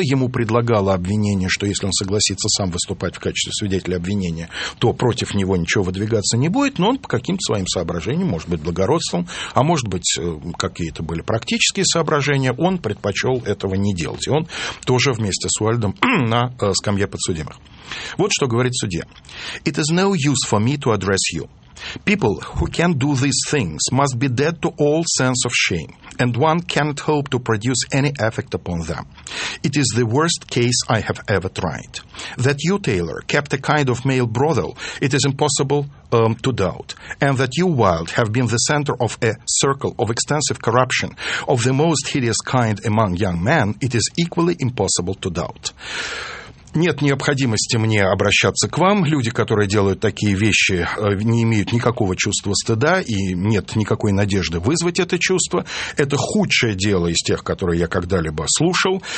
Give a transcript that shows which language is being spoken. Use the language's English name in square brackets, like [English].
[Russian] Ему предлагало обвинение, что если он согласится сам выступать в качестве свидетеля обвинения, то против него ничего выдвигаться не будет. Но он по каким-то своим соображениям, может быть, благородством, а может быть, какие-то были практические соображения, он предпочел этого не делать. И он тоже вместе с Уайльдом на скамье подсудимых. Вот что говорит судья. [English] It is no use for me to address you. People who can do these things must be dead to all sense of shame, and one cannot hope to produce any effect upon them. It is the worst case I have ever tried. That you, Taylor, kept a kind of male brothel, it is impossible to doubt, and that you, Wilde, have been the center of a circle of extensive corruption of the most hideous kind among young men, it is equally impossible to doubt. [Russian] нет необходимости мне обращаться к вам. Люди, которые делают такие вещи, не имеют никакого чувства стыда и нет никакой надежды вызвать это чувство. Это худшее дело из тех, которые я когда-либо слушал.